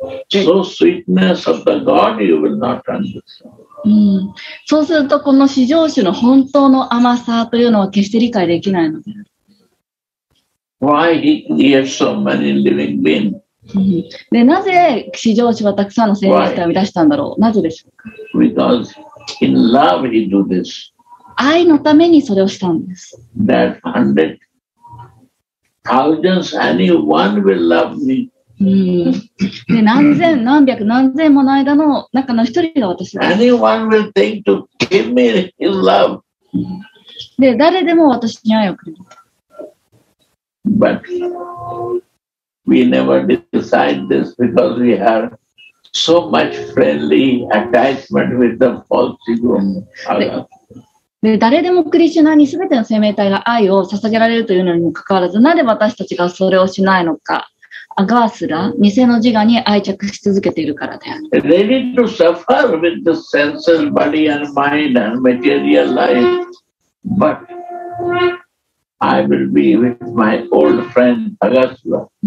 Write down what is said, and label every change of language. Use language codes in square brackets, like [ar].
[en] So sweetness of the God you will not understand. [ja] そうするとこの至上主の本当の甘さというのは決して理解できないのである。 [en] Why he creates so many living beings? [ja] でなぜ至上主はたくさんの生命体を生み出したんだろう。なぜでしょうか。 [en] Because in love he do this. [ja] 愛のためにそれをしたんです。 [en] That hundred thousands, anyone will love me. [ja] で何千何百何千もの間の中の一人が私です。 [en] Anyone will think to give me his love. [ja] で誰でも私に愛をくれる。 [en] But we never decide this because we have so much friendly attachment with the false ego. [ja] で誰でもクリシュナに全ての生命体が愛を捧げられるというのにもかかわらず、なぜ私たちがそれをしないのか。アガースラ、偽の自我に愛着し続けているからである。 [en] Ready to suffer with the senses, body and mind and material life. But I will be with my old friend, Agasura.